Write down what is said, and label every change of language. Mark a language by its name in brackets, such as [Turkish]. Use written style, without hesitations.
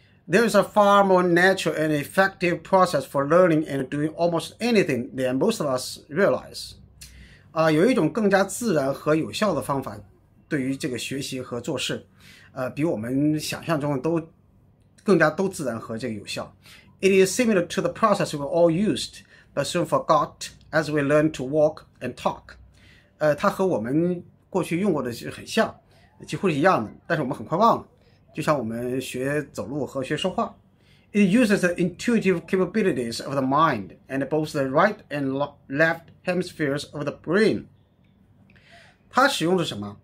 [English] There is a far more natural and effective process for learning and doing almost anything than most of us realize。 [Chinese] 有一种更加自然和有效的方法，对于这个学习和做事，比我们想象中的更加自然和这个有效。 [English] It is similar to the process we all used, but soon forgot as we learn to walk and talk。 [Chinese] 它和我们过去用过的是很像，几乎是一样的，但是我们很快忘了，就像我们学走路和学说话。 [English] It uses the intuitive capabilities of the mind and both the right and left hemispheres of the brain。 [Chinese] 它使用的什么？